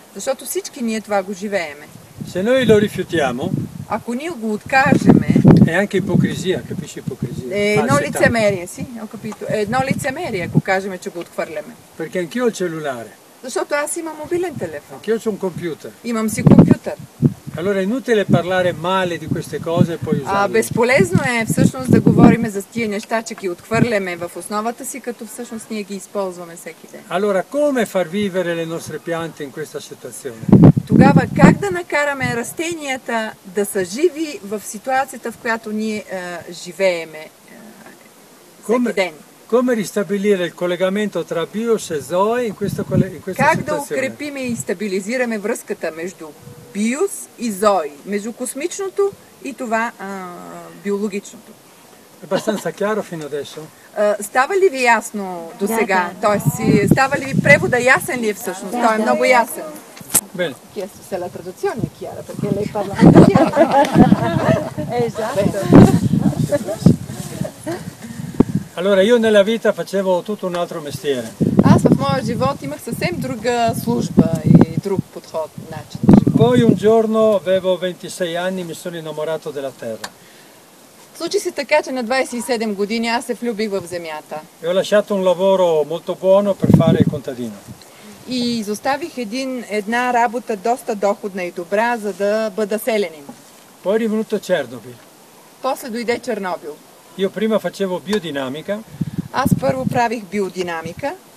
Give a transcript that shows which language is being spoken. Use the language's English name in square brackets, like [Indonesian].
[Bulgarian] Защото всички ние това го живееме. [Italian] Se noi lo rifiutiamo, [Bulgarian] ако ние го откажеме, [Italian] è anche ipocrisia, capisci ipocrisia? È no licemeria, sì, ho capito. È no licemeria, [Bulgarian] ako kažeme che go otkvarleme. [Italian] Perché anch'io ho il cellulare. [Bulgarian] Защото аз имам мобилен телефон. [Italian] Anch'io ho un computer. [Bulgarian] Имам си компютър. [Italian] Allora è inutile parlare male di queste cose e poi usarle. [Bulgarian] А безполезно е всъщност да говориме за тия неща, че ги отхвърляме в основата си, като всъщност ние ги използваме всеки ден. [Italian] Allora come far vivere le nostre piante in questa situazione? [Bulgarian] Тогава как да накараме растенията да са живи в ситуацията, в която ние живееме всеки ден? [Italian] Come ristabilire il collegamento tra bios e zoe in questa situazione? [Bulgarian] Как да укрепиме и стабилизираме връзката между Bios и Zoe, между космичното и това биологичното. [Italian] È abbastanza chiaro fino adesso? [Bulgarian] Става ли ви ясно до сега? Тоест, става ли ви превода ясен ли е всъщност? Той е много ясен. [Italian] Bene. Chiesto se la traduzione è chiara, perché lei parla molto chiaro. Esatto. Allora, io nella vita facevo tutto un altro mestiere. [Bulgarian] Аз в моя живот имах съвсем друга служба и друг подход, начин. [Italian] Poi un giorno avevo 26 anni, mi sono innamorato della terra. [Bulgarian] Случи се така, че на 27 години аз се влюбих в земята. [Italian] E ho lasciato un lavoro molto buono per fare il contadino. [Bulgarian] И изоставих една работа доста доходна и добра, за да бъда селянин. [Italian] Poi è venuto Chernobyl. [Bulgarian] После дойде Чернобил. [Italian] Io prima facevo biodinamica. [Bulgarian] Аз първо правих биодинамика.